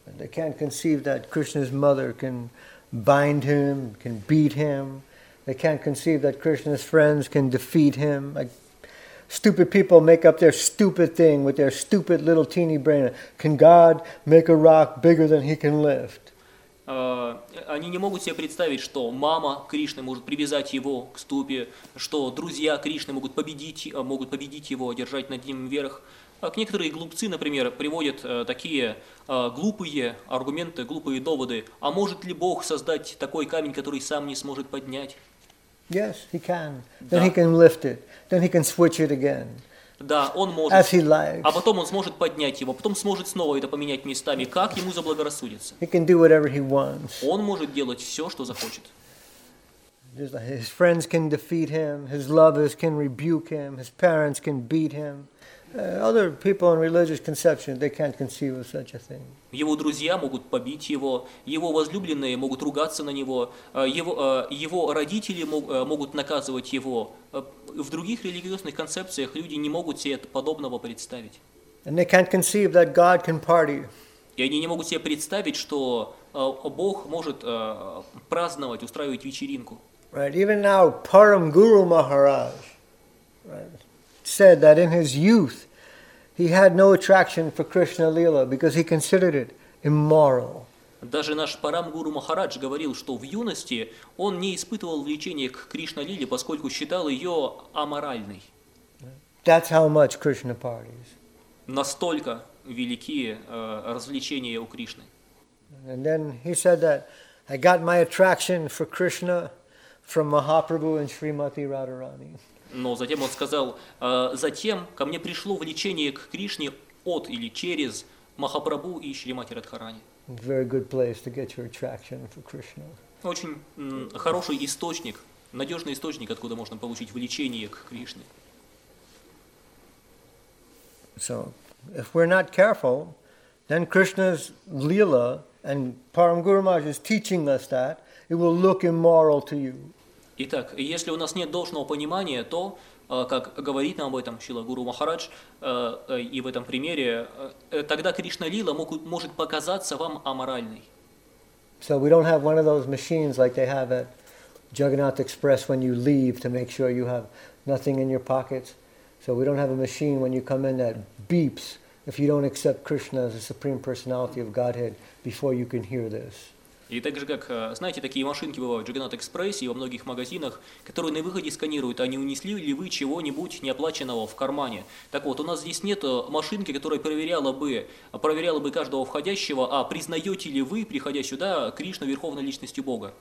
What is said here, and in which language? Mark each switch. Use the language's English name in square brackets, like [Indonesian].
[English] They can't conceive that Krishna's mother can bind him, can beat him. They can't conceive that Krishna's friends can defeat him. Like, stupid people make up their stupid thing with their stupid little teeny brain. Can God make a rock bigger than he can lift? [Russian] Они не могут себе представить, что мама Кришны может привязать его к ступе, что друзья Кришны могут победить его, одержать над ним верх. Некоторые глупцы, например, приводят такие глупые аргументы, глупые доводы. А может ли Бог создать такой камень, который сам не сможет поднять? [English] Yes, he can. Then he can lift it. Then he can switch it again. [Russian] Да, он может. [English] As he likes. [Russian] А потом он сможет поднять его, потом сможет снова это поменять местами, как ему заблагорассудится. [English] He can do whatever he wants. [Russian] Он может делать все, что захочет. [English] His friends can defeat him, his lovers can rebuke him, his parents can beat him. Other people in religious conception, they can't conceive of such a thing. [Russian] Его друзья могут побить его, его возлюбленные могут ругаться на него, его родители могут наказывать его. В других религиозных концепциях люди не могут себе подобного представить. [English] And they can't conceive that God can party. [Russian] И они не могут себе представить, что Бог может праздновать, устраивать вечеринку. [English] Right, even now, Param Guru Maharaj, right, said that in his youth he had no attraction for Krishna Lila because he considered it immoral. [Russian] Даже наш Парам Гуру Махарадж говорил, что в юности он не испытывал влечения к Кришна Лиле, поскольку считал ее аморальной. [English] That's how much Krishna parties. [Russian] Настолько велики развлечения у Кришны. [English] And then he said that I got my attraction for Krishna from Mahaprabhu and Srimati Radharani. [Russian] Но затем он сказал, затем ко мне пришло влечение к Кришне от или через Махапрабху и Шримати Радхарани. [English] Very good place to get your attraction for Krishna. [Russian] Очень хороший источник, надежный источник, откуда можно получить влечение к Кришне. [English] So, if we're not careful, then Krishna's lila and Param Guru Maharaj is teaching us that it will look immoral to you. [Russian] Итак, если у нас нет должного понимания, то, как говорит нам об этом Шрила Гуру Махарадж, и в этом примере, тогда Кришна Лила может показаться вам аморальной. [English] So we don't have one of those machines like they have at Jagannath Express when you leave to make sure you have nothing in your pockets. So we don't have a machine when you come in that beeps if you don't accept Krishna as the Supreme Personality of Godhead before you can hear this. [Russian] И так же, как, знаете, такие машинки бывают в Jagannath Express и во многих магазинах, которые на выходе сканируют, а не унесли ли вы чего-нибудь неоплаченного в кармане. Так вот, у нас здесь нет машинки, которая проверяла бы каждого входящего, а признаете ли вы, приходя сюда, Кришну, Верховной Личностью Бога.